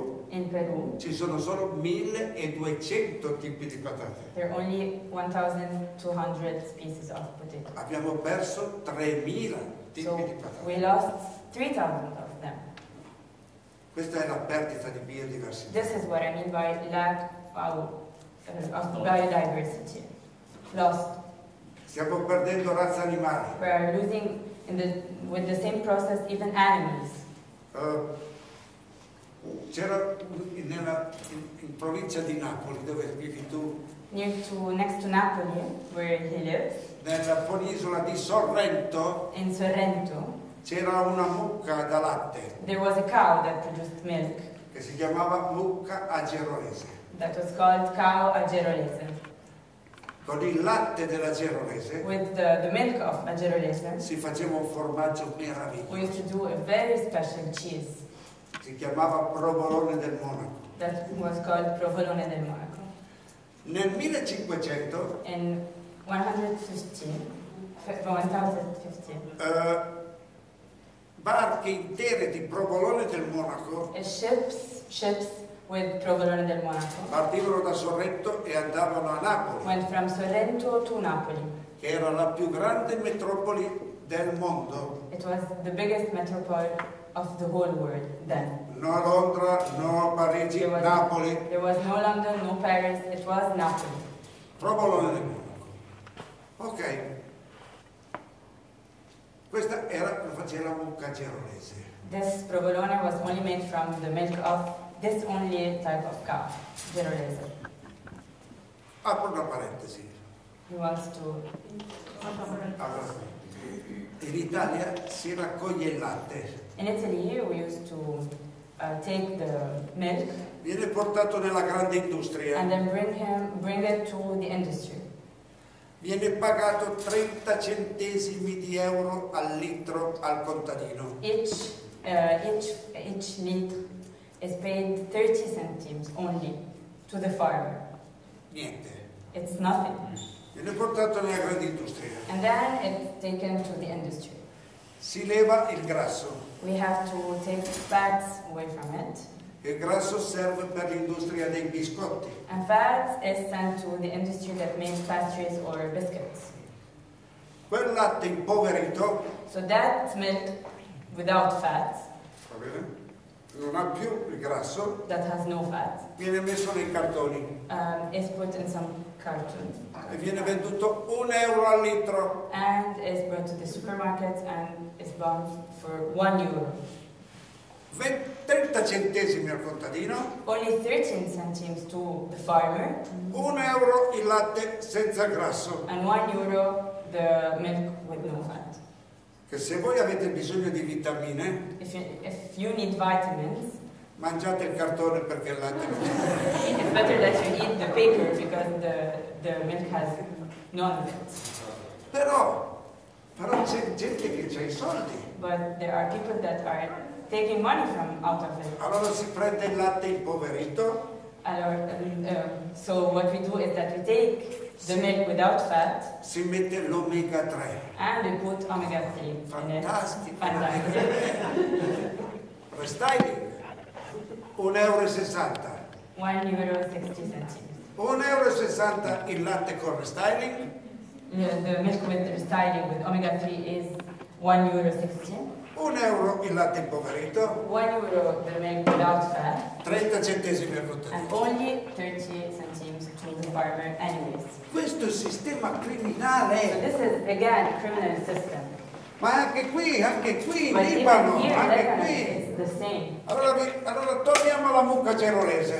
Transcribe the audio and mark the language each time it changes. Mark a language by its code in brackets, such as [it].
[it] in Peru, ci sono solo 1.200 tipi di patate. [en] There are only 1,200 species of potatoes. [it] Abbiamo perso 3.000 tipi di patate. [en] We lost 3,000 of them. [it] Questa è la perdita di biodiversità. [en] This is what I mean by lack of biodiversity. Lost. [it] Stiamo perdendo razza animale. [en] We are losing with the same process even animals. [it] C'era in provincia di Napoli dove vivi tu. [en] Next to Napoli, where he lives. [it] Nella penisola di Sorrento. [en] In Sorrento. [it] C'era una mucca da latte. [en] There was a cow that produced milk. [it] Che si chiamava mucca agerolese. [en] That was called cow agerolese. [it] Con il latte dell'agerolese. [en] With the milk of agerolese. [it] Si faceva un formaggio meraviglioso. [en] We used to do a very special cheese. [it] Si chiamava provolone del Monaco. [en] That was called provolone del Monaco. [it] Nel 1500. [en] In 1515. [it] Barche intere di provolone del Monaco. [en] E ships with provolone del Monaco. [it] Partivano da Sorrento e andavano a Napoli. [en] Went from Sorrento to Napoli. [it] Che era la più grande metropoli del mondo. [en] It was the biggest metropole of the whole world then. [it] No Londra, no Parigi, Napoli. [en] There was no London, no Paris. It was Napoli. [it] Provolone del Monaco. Ok. Questa era la faceva la mucca gerolese. [en] This provolone was only made from the milk of this only type of cow, gerolese. [it] Apro una parentesi. [en] He wants to. [it] In Italia si raccoglie il latte. [en] In Italy we used to take the milk. [it] Viene portato nella grande industria. [en] And then bring it to the industry. [it] Viene pagato 30 centesimi di euro al litro al contadino. [en] Each litre is paid 30 centimes only to the farmer. [it] Niente. [en] It's nothing. [it] Viene portato nella grande industria. [en] And then it's taken to the industry. [it] Si leva il grasso. [en] We have to take fats away from it. [it] Il grasso serve per l'industria dei biscotti. [en] And fat is sent to the industry that makes pastries or biscuits. [it] Quel latte impoverito. [en] So that milk without fat. [it] Va bene? non ha più il grasso. [en] That has no fat. [it] Viene messo nei cartoni. [en] Is put in some cartons. [it] E viene venduto un euro al litro. [en] And is brought to the supermarket and is bought for 1 euro. [it] 30 centesimi al contadino. [en] Only 13 centimes to the farmer. [it] Un euro il latte senza grasso. [en] And 1 euro the milk with no fat. [it] Che se voi avete bisogno di vitamine, [en] if you need vitamins, [it] mangiate il cartone perché il latte non c'è. [en] It's better that you eat the paper because the milk has none of it. [it] Però c'è gente che c'ha i soldi. [en] But there are people that are taking money from out of it. [it] Allora si prende il latte impoverito. [en] Allora, so what we do is that we take the milk without fat. [it] Si mette l'omega 3. [en] And we put omega 3 in it. [it] Fantastico. Restyling. 1,60 euro. 1,60 euro. 1,60 euro il latte con restyling. [en] The milk with restyling with omega 3 is 1,60 euro. [it] 1 euro il latte impoverito. [en] 1 euro the milk without fat. [it] 30 centesimi al contadino. [en] And only 30 centimes to the farmer anyways. [it] Questo è il sistema criminale. [en] So this is again criminal system. [it] Ma anche qui, in Libano, anche qui. [en] The same. [it] Allora torniamo alla mucca gerolese.